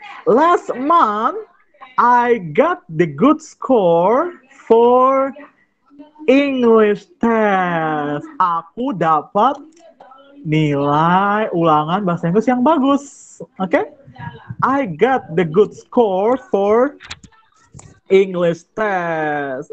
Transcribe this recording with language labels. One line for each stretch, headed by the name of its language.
English: Last month, I got the good score for English test.
Indonesian: Aku dapat nilai ulangan bahasa Inggris yang bagus.
English: Okay? I got the good score for English test.